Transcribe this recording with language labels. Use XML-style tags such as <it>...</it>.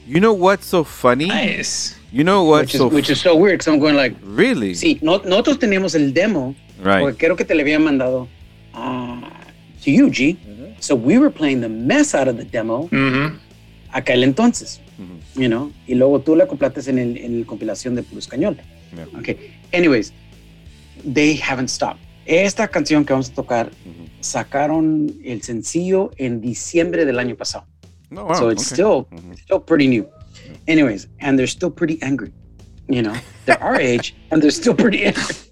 <en>You know what's so funny? Nice. You know what's which is so weird, because I'm going like... Really?</en> <es>Sí, nosotros tenemos el demo.</es> <en>Right.</en> <es>Porque creo que te le habían mandado</es> <en>to you,</en> <es>G. Mm-hmm.</es> <en>So we were playing the mess out of the demo</en> <es>aquel entonces. Mm-hmm.</es> <en>You know?</en> <es>Y luego tú la acoplates en el compilación de Puro Español.</es> <en>Yeah. Okay. Anyways, they haven't stopped.</en> <es>Esta canción que vamos a tocar sacaron el sencillo en diciembre del año pasado.</es> <en>Oh, wow. So it's okay. still pretty new. Anyways, and they're still pretty angry. You know, they're our age and they're still pretty angry.</en>